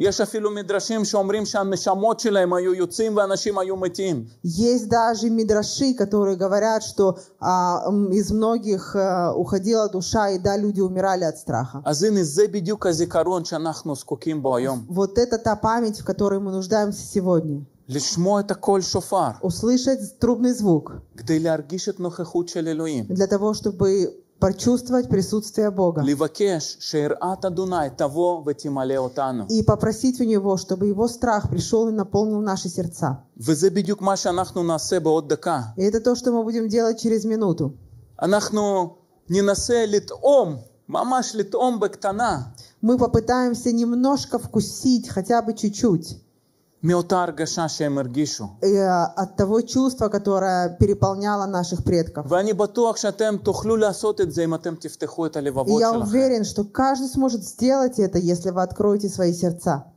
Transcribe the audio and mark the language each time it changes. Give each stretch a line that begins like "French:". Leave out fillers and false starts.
Russian: Есть даже мидраши, которые говорят, что из многих уходила душа, и да, люди умирали от страха. Вот это та память, в которой мы нуждаемся сегодня.
Hebrew: לשמוע את הקול שופר.
Russian: Услышать трубный звук.
Hebrew: כדי להרגיש את נוכחות של אלוהים.
Russian: Для того, чтобы почувствовать присутствие Бога.
Hebrew: לבקש שיראת אדוני תבוא ותמלא אותנו.
Russian: И попросить у него, чтобы его страх пришел и наполнил наши сердца.
Hebrew: וזה בדיוק מה שאנחנו נעשה בעוד דקה.
Russian: И это то, что мы будем делать через минуту.
Hebrew: אנחנו ננסה לטעום, ממש לטעום בקטנה.
Russian: Мы попытаемся немножко вкусить, хотя бы чуть-чуть. От того чувства, которое переполняло наших предков. И я уверен, что каждый сможет сделать это, если вы откроете свои сердца.